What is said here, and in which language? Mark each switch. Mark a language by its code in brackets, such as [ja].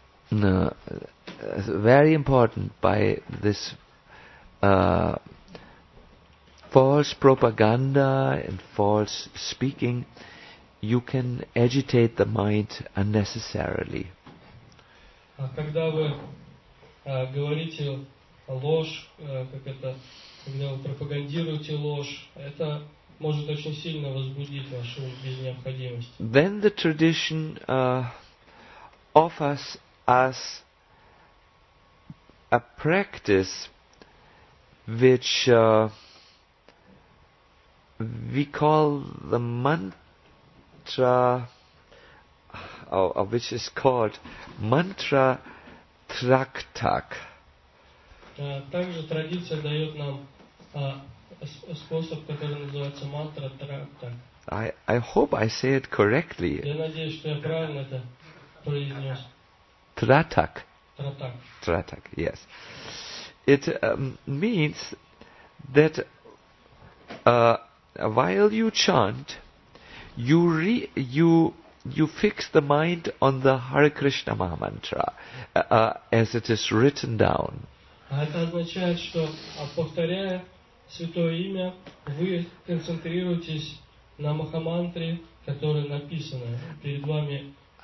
[en] No, very important by this false propaganda and false speaking, you can agitate the mind unnecessarily. [ru] Когда вы говорите ложь, как это, когда вы пропагандируете ложь, это может очень сильно возбудить вашу без необходимости. [en] Then the tradition offers us a practice which we call the mantra, or which is called mantra traktak. [ru] Также традиция дает нам способ, который называется мантра трактак. [en] I hope I say it correctly. [ru] Я надеюсь, что я правильно это произнес. [en] Tratak. Tratak. Tratak, yes. It means that while you chant, you fix the mind on the Hare Krishna Maha Mantra, as it is written down. [ru] Это означает, что повторяя святое имя, вы концентрируетесь на Махамантре, которая написана перед вами.